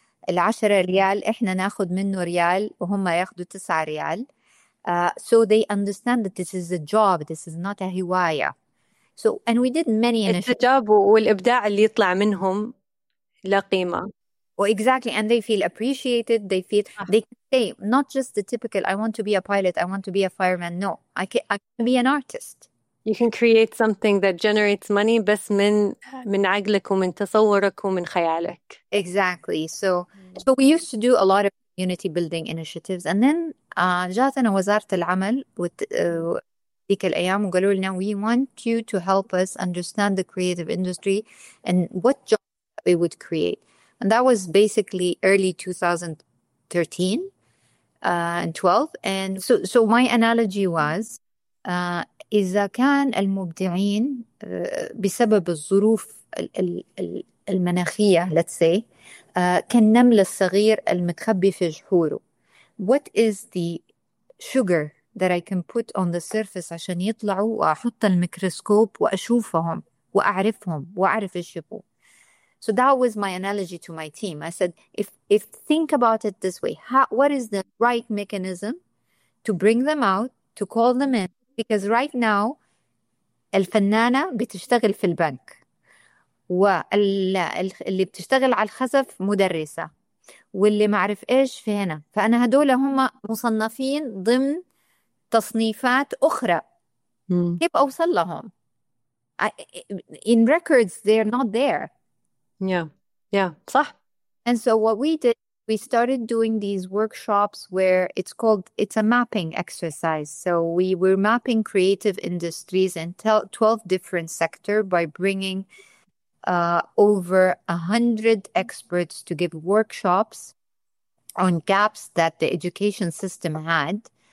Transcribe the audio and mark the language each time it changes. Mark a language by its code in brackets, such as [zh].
[ar] ال10 ريال إحنا ناخد منه ريال وهم ياخدوا 9 ريال. [en] So they understand that this is a job, this is not a hiwaya. So, and we did many initiatives. [ar] التجارب والإبداع اللي يطلع منهم لا قيمة. [en] Well, exactly, and they feel appreciated. They feel they can say not just the typical "I want to be a pilot," "I want to be a fireman." No, I can be an artist. You can create something that generates money, [ar] بس من عقلك ومن تصورك ومن خيالك. [en] Exactly. So we used to do a lot of community building initiatives, and then [ar] جاتنا وزارة العمل ديك الأيام وقالوا لنا [en] we want you to help us understand the creative industry and what jobs it would create. And that was basically early 2013 and 12. And so my analogy was, [ar] إذا كان المبدعين بسبب الظروف المناخية [en] let's say [ar] كالنمل الصغير المتخبي في جحوره، [en] what is the sugar that I can put on the surface [ar] عشان يطلعوا وأحط الميكروسكوب وأشوفهم وأعرفهم وأعرف إيش يبغوا. [en] So that was my analogy to my team. I said, if think about it this way, what is the right mechanism to bring them out, to call them in? Because right now, [ar] الفنانة بتشتغل في البنك، واللي بتشتغل على الخزف مدرسة، واللي معرف إيش في هنا. فأنا هدول هم مصنفين ضمن تصنيفات أخرى. كيف أوصل لهم؟ [en] In records, they're not there. Yeah, [ar] صح. [en] And so what we did We started doing these workshops where it's a mapping exercise. So we were mapping creative industries in 12 different sectors by bringing over 100 experts to give workshops on gaps that the education system had.